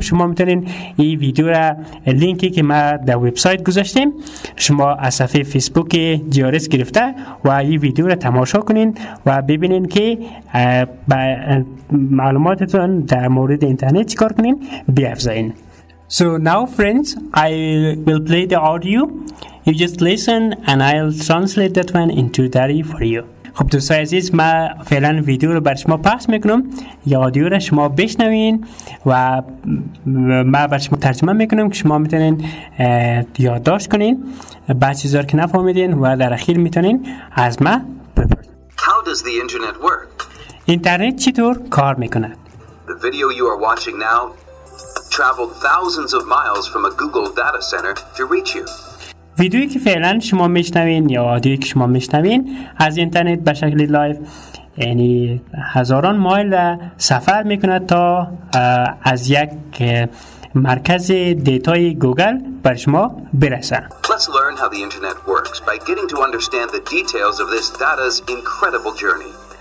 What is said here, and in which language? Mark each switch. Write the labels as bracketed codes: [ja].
[fa] شما میتونین این ویدیو را لینکی که ما در وبسایت گذاشتیم شما از صفحه فیسبوک جیارس گرفته و این ویدیو را تماشا کنین و ببینین که با معلوماتتون در مورد اینترنت چیکار کنین بیفزاین. [en] So now friends, I will play the audio. You just listen and I'll translate that one into Dari for you. [fa] خب دوستای عزیز، ما فعلا ویدیو رو بر شما پخش میکنم، یادیو رو شما بشنوین و ما بر شما ترجمه میکنم که شما میتونین یادداشت کنین بعضی چیزا رو که نفهمیدین و در اخیر میتونین از ما بپرسین. [en] How does the internet work? [fa] اینترنت چطور کار میکنه؟ [en] The video you are watching now traveled thousands of miles from a Google data center to reach you. [fa] ویدیویی که فعلا شما میشنوین یا آدیویی که شما میشنوین از اینترنت به شکل لایف، یعنی هزاران مایل سفر میکنه تا از یک مرکز دیتای گوگل بر شما برسه. [en] Let's learn how the internet works by getting to understand the details of this data's incredible journey.